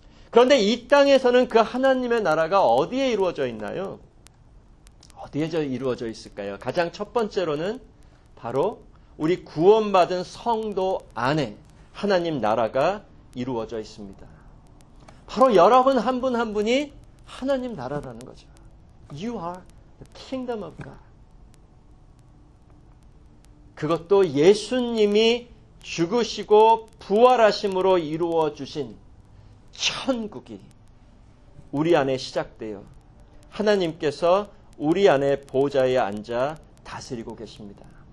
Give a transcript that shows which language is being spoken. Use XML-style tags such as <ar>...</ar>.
<ko>그런데 이 땅에서는 그 하나님의 나라가 어디에 이루어져 있나요? 어디에 이루어져 있을까요? 가장 첫 번째로는 바로 우리 구원받은 성도 안에 하나님 나라가 이루어져 있습니다. 바로 여러분 한 분 한 분이 하나님 나라라는 거죠.</ko> <en>You are the kingdom of God.</en> <ko>그것도 예수님이 죽으시고 부활하심으로 이루어 주신 천국이 우리 안에 시작되어 하나님께서 우리 안에 보좌에 앉아 다스리고 계십니다.</ko>